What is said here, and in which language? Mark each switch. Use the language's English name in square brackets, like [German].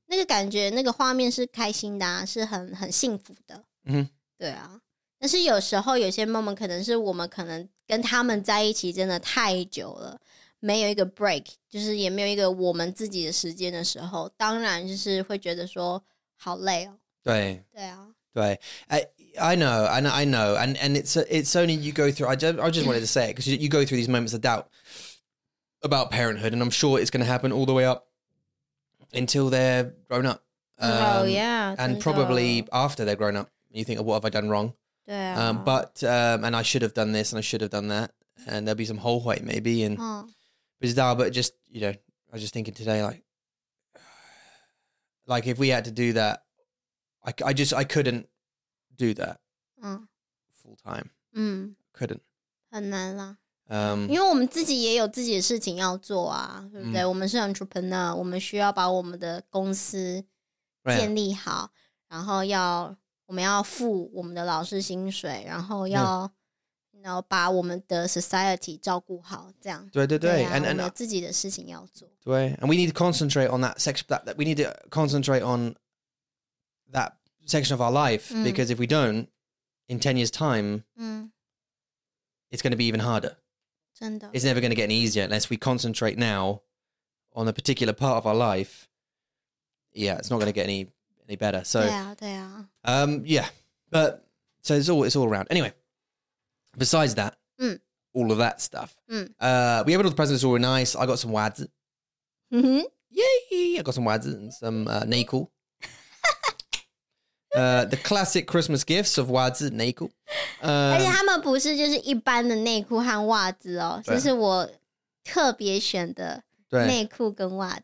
[Chinese] 那个感觉那个画面是开心的、啊、是很幸福的、嗯、对啊但是有时候有些 moment 可能是我们可能跟他们在一起真的太久了没有一个 break 就是也没有一个我们自己的时间的时候当然就是会觉得说好累哦对对啊对 [English] I know, and it's only you go through, I just wanted to say it, because you go through these moments of doubt about parenthood, and I'm sure it's going to happen all the way up until they're grown up. And probably after they're grown up, you think, oh, what have I done wrong? Yeah. And I should have done this, and I should have done that, and there'll be some whole white maybe, and oh. But just, you know, I was just thinking today, like if we had to do that, I couldn't, do that full time. Couldn't. [Chinese] 很难啦。因为我们自己也有自己的事情要做啊，对不对？我们是 entrepreneur， 我们需要把我们的公司建立好，然后要我们要付我们的老师薪水，然后要然后把我们的 society 照顾好，这样。对对对，我们自己的事情要做。对 [English] ，and we need to concentrate on that section. That we need to concentrate on that. Section of our life because if we don't in 10 years time it's going to be even harder [Chinese] 真的 [English] it's never going to get any easier unless we concentrate now on a particular part of our life yeah it's not going to get any better so yeah but so it's all around anyway besides that all of that stuff we have all the presents all nice I got some wads yay I got some wads and some nakel the classic Christmas gifts of [Chinese] 袜子内裤，而且他们不是就是一般的内裤和袜子哦，这是我特别选的内裤跟袜子。